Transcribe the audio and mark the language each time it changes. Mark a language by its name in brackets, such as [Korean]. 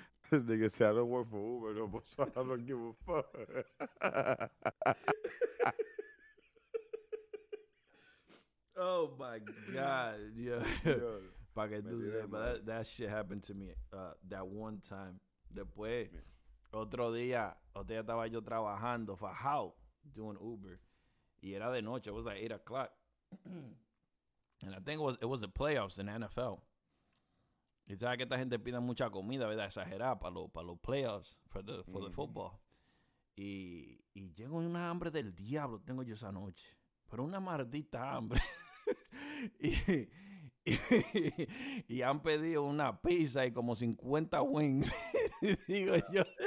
[English] This nigga said, I don't work for Uber no more, so I don't give a fuck. Oh, my God. Yeah. that shit happened to me that one time. [Spanish] Después, man. Otro día estaba yo trabajando, fajao, [English] doing Uber. [Spanish] Y era de noche. [English] It was like 8 o'clock. And I think it was the playoffs in the NFL. [Spanish] Y sabes que esta gente pide mucha comida, ¿verdad? Exagerada para los playoffs, [English] for the football. [Spanish] Y llego en una hambre del diablo, tengo yo esa noche. Pero una maldita hambre. y han pedido una pizza y como 50 wings. Digo yo. Yeah.